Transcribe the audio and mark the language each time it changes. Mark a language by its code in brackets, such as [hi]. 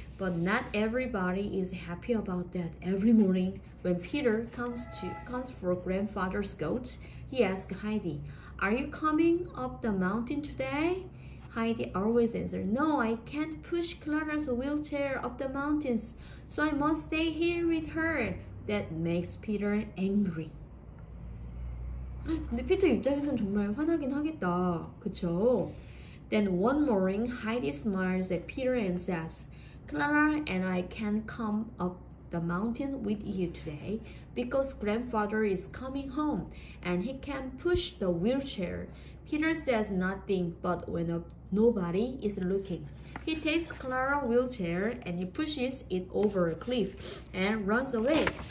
[en] But not everybody is happy about that. Every morning, when Peter comes for Grandfather's goat, he asks Heidi, are you coming up the mountain today? Heidi always answers, no, I can't push Clara's wheelchair up the mountains, so I must stay here with her. That makes Peter angry. [ko] 근데 피터 입장에서는 정말 화나긴 하겠다. 그쵸? [en] Then one morning, Heidi smiles at Peter and says, Clara and I can come up the mountain with you today because Grandfather is coming home and he can push the wheelchair. Peter says nothing, but when nobody is looking, he takes Clara's wheelchair and he pushes it over a cliff and runs away.